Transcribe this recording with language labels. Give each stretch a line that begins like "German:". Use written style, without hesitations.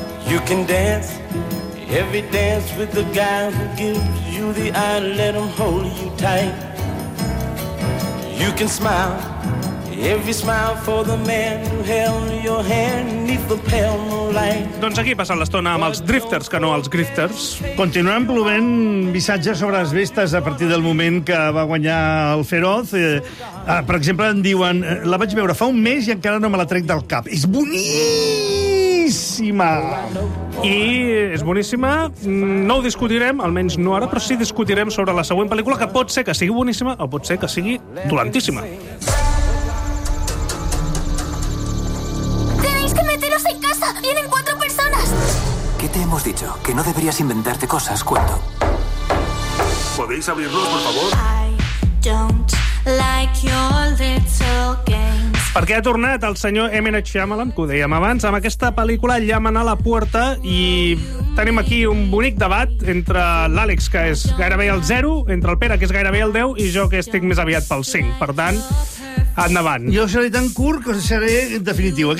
English: You can dance every dance with the guy who gives you the eye, let him hold you tight. You can smile every smile for the man who held your hand beneath the pale moonlight.
Catalan: Doncs aquí passant l'estona amb els Drifters, que no els Grifters. Continuaran plovent missatges sobre les vistes a partir del moment que va guanyar el Feroz. Per exemple, em diuen, la vaig veure fa un mes i encara no me la trec del cap. És bonic! Boníssima. I és boníssima. No ho discutirem, almenys no ara, però sí discutirem sobre la següent pel·lícula, que pot ser que sigui boníssima o pot ser que sigui dolentíssima.
Spanish: Tenéis que meteros en casa. Vienen cuatro personas. ¿Qué te hemos dicho? Que no deberías inventarte cosas. ¿Cuánto? ¿Podéis abrirlos, por favor?
English: I don't like your little game.
Catalan: Perquè ha tornat el senyor M. Night Shyamalan, que ho dèiem abans, amb aquesta pel·lícula Llaman a la Puerta, i tenim aquí un bonic debat entre l'Àlex, que és gairebé el 0, entre el Pere, que és gairebé el 10, i jo, que estic més aviat pel 5. Per tant, endavant. Jo seré tan curt que seré definitiu.